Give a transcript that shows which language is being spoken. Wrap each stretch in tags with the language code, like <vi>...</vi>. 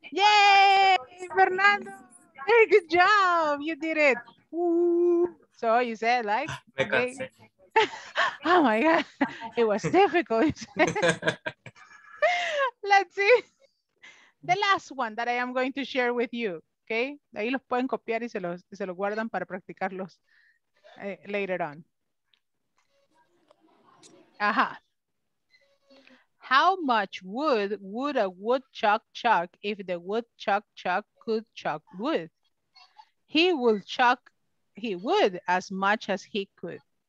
<en>Yay, Fernando! Very good job, you did it. So you said like, oh my God, it was difficult. Let's see. The last one that I am going to share with you, okay?</en> <es>Ahí los pueden copiar y se los guardan para practicarlos</es> <en>later on. How much wood would a woodchuck chuck if the woodchuck chuck could chuck wood? He would as much as he could.</en>